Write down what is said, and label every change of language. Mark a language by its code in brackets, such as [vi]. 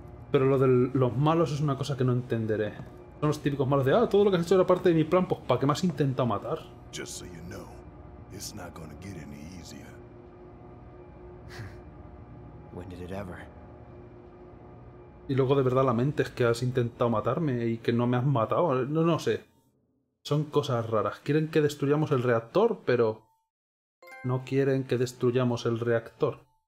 [es] Pero lo de los malos es una cosa que no entenderé. Son los típicos malos de, todo lo que has hecho era parte de mi plan, pues ¿para qué más intenta matar? [en] Just so you know, it's not gonna get any easier. When did it ever? [es] Y luego de verdad la mente es que has intentado matarme y que no me has matado. No sé. Son cosas raras. Quieren que destruyamos el reactor, pero... No quieren que destruyamos el reactor.